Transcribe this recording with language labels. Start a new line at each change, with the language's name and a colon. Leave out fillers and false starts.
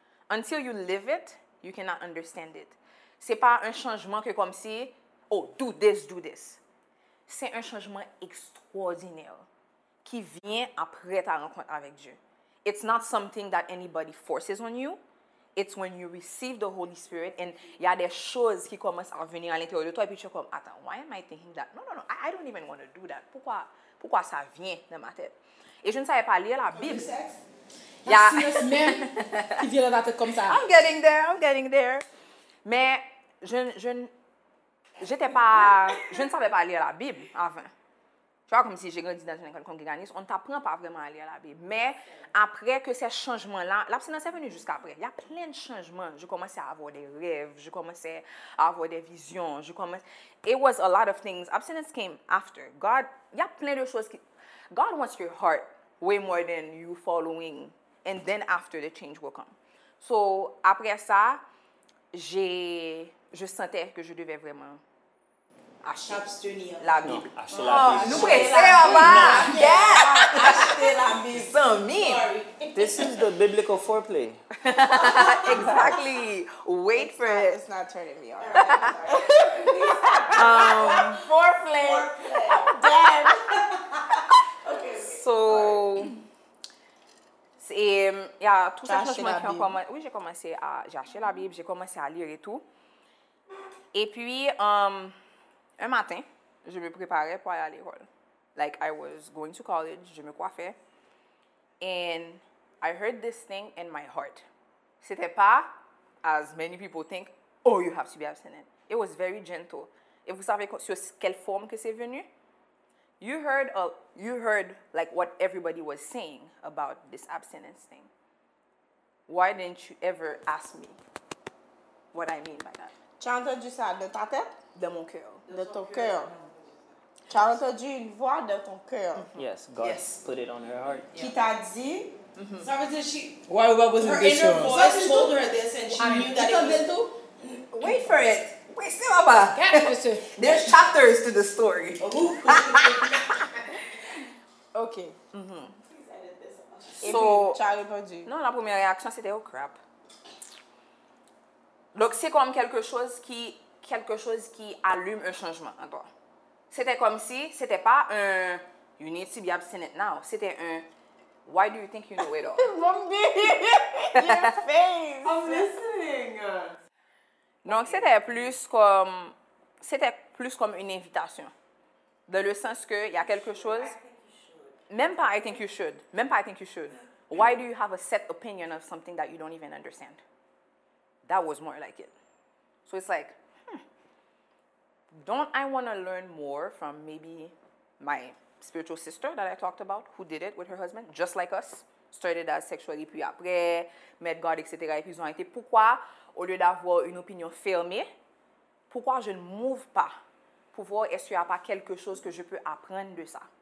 English: Until you live it, you cannot understand it.
French: C'est pas un changement que comme si
English: oh do this.
French: C'est un changement extraordinaire qui vient après ta rencontre avec Dieu.
English: It's not something that anybody forces on you. It's when you receive the Holy Spirit and
French: y a des choses qui commencent à venir à l'intérieur de toi et puis tu es comme attends
English: why am I thinking that no I don't even want to do that
French: pourquoi ça vient dans ma tête et je ne savais pas lire la Bible y a qui vient dans ta tête comme ça
English: I'm getting there
French: mais je ne savais pas lire la Bible avant. Tu vois, comme si j'ai grandi dans une école congréganiste, on ne t'apprend pas vraiment à lire la Bible. Mais après que ces changements-là, l'abstinence est venue jusqu'après. Il y a plein de changements. Je commençais à avoir des rêves, je commençais à avoir des visions.
English: It was a lot of things. Abstinence came after. God,
French: il y a plein de choses qui...
English: God wants your heart way more than you following. And then after, the change will come.
French: So, après ça, je sentais que je devais vraiment... Acheter la Bible. Non, acheter la Bible. Nous prêter en bas.
English: Yeah.
French: Acheter la
English: Bible. This is the biblical foreplay. Exactly. Wait for it. It's not turning me on. Foreplay. Damn. Okay.
French: So, yeah, tout ça, franchement, oui, j'ai commencé à. J'ai acheté la Bible, j'ai commencé à lire et tout. Et puis, un matin, je me préparais pour aller à l'école.
English: Like, I was going to college,
French: je me coiffais.
English: And I heard this thing in my heart.
French: C'était pas,
English: as many people think, oh, you have to be abstinent. It was very gentle.
French: Et vous savez sur quelle forme que c'est venu?
English: You heard like, what everybody was saying about this abstinence thing. Why didn't you ever ask me what I mean by that?
French: Tu as entendu ça de ta tête? De mon cœur. De ton cœur. Tu as entendu une voix de ton cœur.
English: Yes, God put it on her heart.
French: Qui t'a dit? Ça veut dire she...
English: Why was it this inner voice told her this and she knew that it was... Wait for it. Wait,
French: c'est papa.
English: There's chapters to the story. Ok. So,
French: tu as répondu. Non, la première réaction c'était
English: oh crap.
French: Donc, c'est comme quelque chose qui allume un changement en toi. C'était comme si, c'était pas un «
English: you need to be abstinent now
French: », c'était un «
English: why do you think you know it all? »
French: Mon bébé,
English: your face! I'm listening!
French: Donc, c'était plus comme une invitation. Dans le sens que, il y a quelque chose... Même pas
English: « I think you should. » Why do you have a set opinion of something that you don't even understand? that was more like it. So it's like, don't I want to learn more from maybe my spiritual sister that I talked about, who did it with her husband, just like us, started as sexually,
French: puis après, met God, etc. Et puis ils ont été, pourquoi, au lieu d'avoir une opinion fermée, pourquoi je ne m'ouvre pas pour voir est-ce qu'il n'y a pas quelque chose que je peux apprendre de ça?